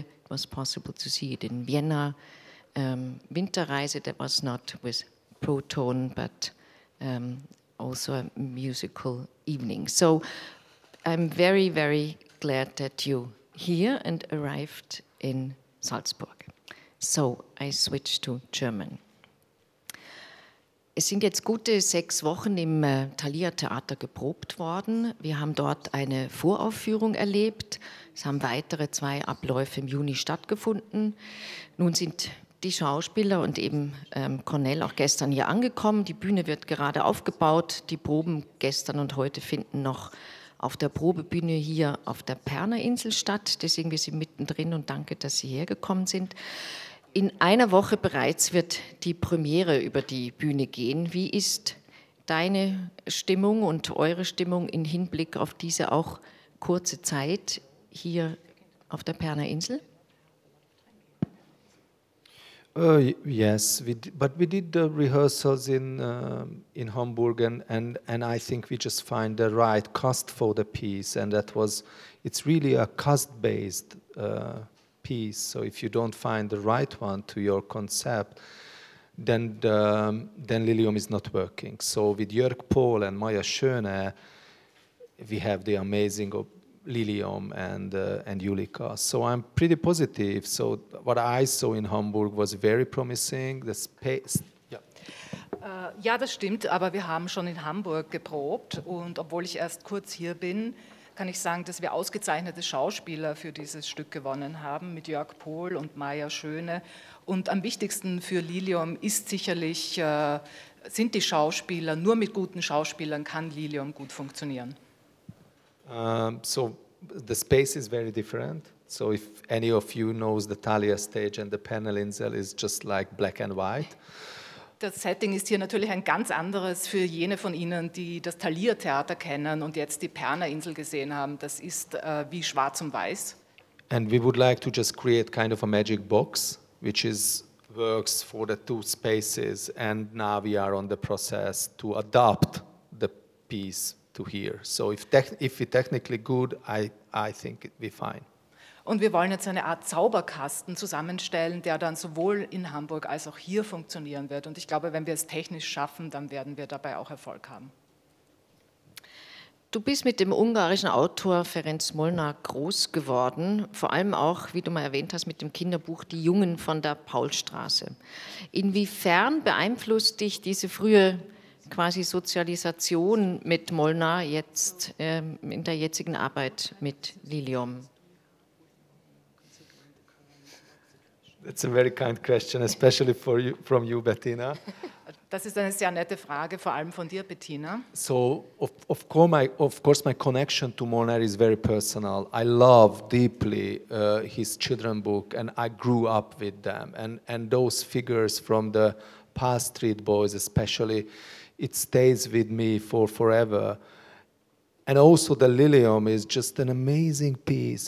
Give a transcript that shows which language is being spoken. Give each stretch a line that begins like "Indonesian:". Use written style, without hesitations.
English: It was possible to see it in Vienna. Winterreise, that was not with Proton, but also a musical evening. So I'm very, very glad that you here and arrived in Salzburg. So I switch to German.
German: Es sind jetzt gute 6 Wochen im Thalia Theater geprobt worden. Wir haben dort eine Voraufführung erlebt. Es haben weitere 2 Abläufe im Juni stattgefunden. Nun sind die Schauspieler und eben Cornel auch gestern hier angekommen. Die Bühne wird gerade aufgebaut. Die Proben gestern und heute finden noch auf der Probebühne hier auf der Perner Insel statt. Deswegen sind wir mittendrin und danke, dass Sie hergekommen sind. In einer Woche bereits wird die Premiere über die Bühne gehen. Wie ist deine Stimmung und eure Stimmung im Hinblick auf diese auch kurze Zeit hier auf der Perner Insel?
English: Yes, we did the rehearsals in Hamburg and I think we just find the right cast for the piece, and that was, it's really a cast-based piece. So if you don't find the right one to your concept, then Lilium is not working. So with Jörg Pohl and Maya Schöne, we have the amazing Lilium and Julika. So I'm pretty positive. So what I saw in Hamburg was very promising. The space.
German: Ja, das stimmt. Aber wir haben schon in Hamburg geprobt, und obwohl ich erst kurz hier bin, kann ich sagen, dass wir ausgezeichnete Schauspieler für dieses Stück gewonnen haben, mit Jörg Pohl und Maya Schöne. Und am wichtigsten für Lilium ist sicherlich, sind die Schauspieler. Nur mit guten Schauspielern kann Lilium gut funktionieren.
English: So the space is very different. So if any of you knows the Thalia stage and the Perner Insel is just like black and white.
German: Das Setting ist hier natürlich ein ganz anderes für jene von Ihnen, die das Thalia-Theater kennen und jetzt die Perner-Insel gesehen haben. Das ist wie schwarz und weiß.
English: And we would like to just create kind of a magic box, which is works for the 2 spaces. And now we are on the process to adapt the piece to here. So if we technically good, I think we fine.
German: Und wir wollen jetzt eine Art Zauberkasten zusammenstellen, der dann sowohl in Hamburg als auch hier funktionieren wird. Und ich glaube, wenn wir es technisch schaffen, dann werden wir dabei auch Erfolg haben. Du bist mit dem ungarischen Autor Ferenc Molnár groß geworden, vor allem auch, wie du mal erwähnt hast, mit dem Kinderbuch Die Jungen von der Paulstraße. Inwiefern beeinflusst dich diese frühe quasi Sozialisation mit Molnár jetzt in der jetzigen Arbeit mit Lilium?
English: That's a very kind question, especially for you, from you, Bettina.
German: Das ist eine sehr nette Frage, vor allem von dir, Bettina.
English: So, of course, my connection to Molnár is very personal. I love deeply his children book, and I grew up with them. And those figures from the past, Street Boys especially, it stays with me for forever. And also the Lilium is just an amazing piece.